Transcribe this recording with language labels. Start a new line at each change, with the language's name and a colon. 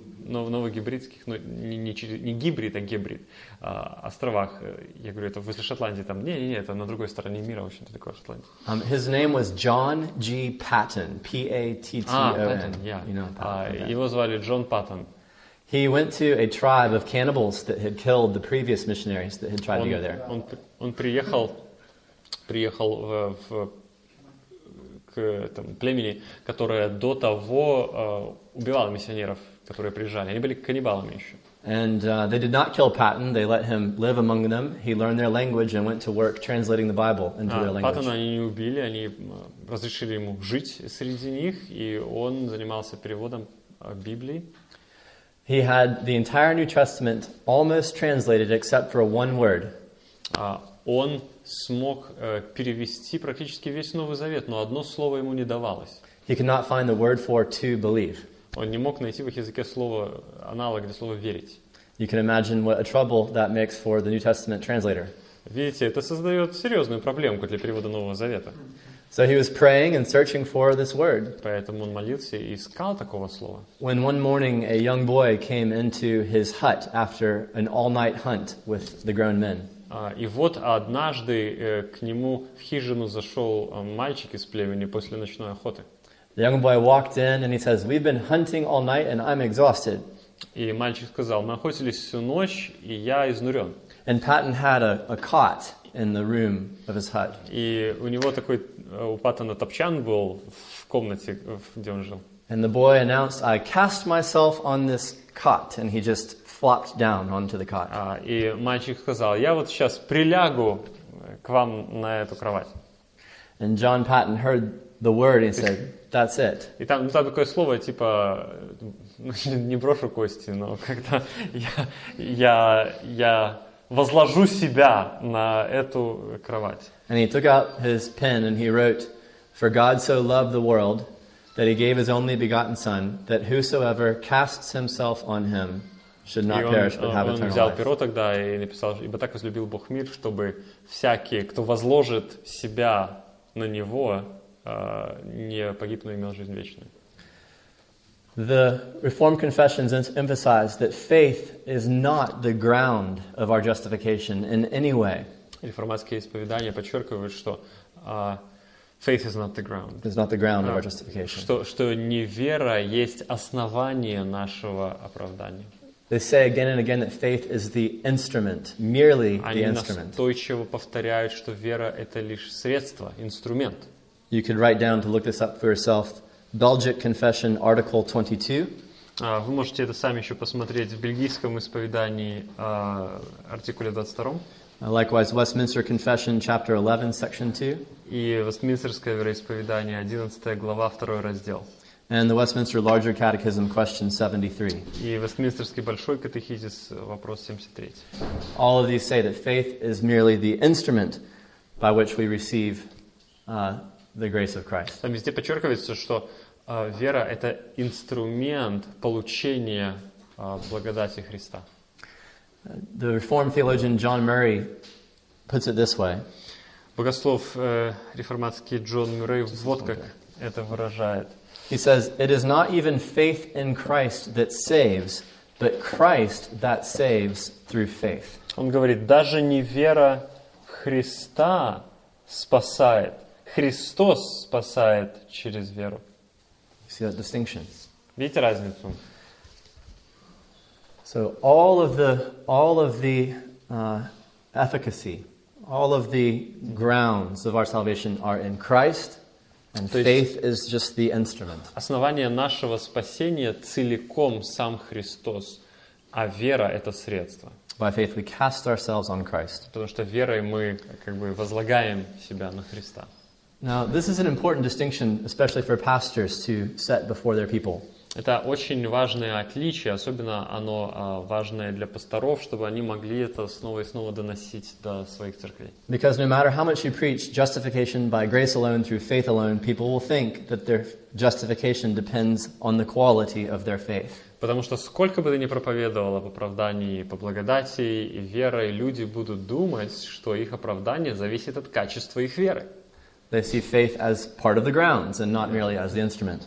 Russian: новогибридских, ну, не гибрид, а гибрид, островах. Я говорю, это возле Шотландии там. Не-не-не, это на другой стороне мира, в общем-то, такое Шотландия.
English: His name was John G. Patton, P-A-T-T-O-N. Patton, yeah. You know, Patton, okay.
Russian: Его звали Джон Паттон.
English: He went to a tribe of cannibals that had killed the previous missionaries that had tried to go there.
Russian: Он приехал в к этому племени, которое до того убивало миссионеров, которые приезжали. Они были каннибалами еще.
English: And they did not kill Patton. They let him live among them. He learned their language and went to work translating the Bible into their language.
Russian: Паттона они не убили, они разрешили ему жить среди них, и он занимался переводом Библии.
English: He had the entire New Testament almost translated except for one word.
Russian: Он смог перевести практически весь Новый Завет, но одно слово ему не давалось.
English: He could not find the word for to believe.
Russian: Он не мог найти в их языке слово, аналог для слова верить.
English: You can imagine what a trouble that makes for the New Testament translator.
Russian: Видите, это создает серьезную проблемку для перевода Нового Завета.
English: So he was praying and searching for this word.
Russian: Поэтому он молился и искал такого слова.
English: When one morning a young boy came into his hut after an all-night hunt with the grown men.
Russian: И вот однажды к нему в хижину зашел мальчик из племени после ночной охоты.
English: The young boy walked in and he says, "We've been hunting all night and I'm exhausted."
Russian: И мальчик сказал: "Мы охотились всю ночь и я изнурен."
English: And Patton had a cot in the room of his hut.
Russian: И у него такой у Паттона топчан был в комнате, где он жил.
English: And the boy announced, "I cast myself on this cot," and he just flopped down onto the cot.
Russian: И мальчик сказал: "Я вот сейчас прилягу к вам на эту кровать."
English: And John Patton heard the word and said, "That's it."
Russian: И там, ну, там такое слово типа, не брошу кости, но когда я возложу себя на эту кровать.
English: And he took out his pen and he wrote, "For God so loved the world that he gave his only begotten son, that whosoever casts himself on him should not perish, but have eternal life."
Russian: Он взял перо тогда и написал: "Ибо так возлюбил Бог мир, чтобы всякий, кто возложит себя на него, не погиб, но имел жизнь вечную."
English: The Reformed confessions emphasize that faith is not the ground of our justification in any way.
Russian: Реформатские исповедания подчеркивают, что
English: faith is not the ground. It's not the ground of our justification.
Russian: Что не вера есть основание нашего оправдания.
English: They say again and again that faith is the instrument, merely the instrument.
Russian: Они настойчиво повторяют, что вера это лишь средство, инструмент.
English: You can write down to look this up for yourself. Belgic Confession, Article 22.
Russian: Вы можете это сами еще посмотреть в бельгийском исповедании, артикуле 22.
English: Likewise, Westminster Confession, Chapter 11, Section 2.
Russian: И Вестминстерское вероисповедание, 11 глава, 2 раздел.
English: And the Westminster Larger Catechism, Question 73.
Russian: И Вестминстерский Большой Катехизис, вопрос 73.
English: All of these say that faith is merely the instrument by which we receive the grace of Christ.
Russian: Там везде подчеркивается, что вера — это инструмент получения благодати Христа.
English: The Reformed theologian John Murray puts it this way.
Russian: Богослов реформатский Джон Мюррей вот как это выражает.
English: He says, "It is not even faith in Christ that saves, but Christ that saves through faith."
Russian: Он говорит, даже не вера в Христа спасает, Христос спасает через веру.
English: You see that distinction?
Russian: Видите разницу?
English: So all of the efficacy, all of the grounds of our salvation are in Christ, and faith is just the instrument.
Russian: Основание нашего спасения целиком сам Христос, а вера это средство.
English: By faith we cast ourselves on Christ.
Russian: Потому что верой мы как бы возлагаем себя на Христа.
English: Now, this is an important distinction, especially for pastors to set before their people.
Russian: Это очень важное отличие, особенно оно важное для пасторов, чтобы они могли это снова и снова доносить до своих церквей.
English: Because no matter how much you preach justification by grace alone through faith alone, people will think that their justification depends on the quality of their faith.
Russian: Потому что сколько бы ты ни проповедовал об оправдании по благодати и верой, люди будут думать, что их оправдание зависит от качества их веры.
English: They see faith as part of the grounds and not merely as the instrument.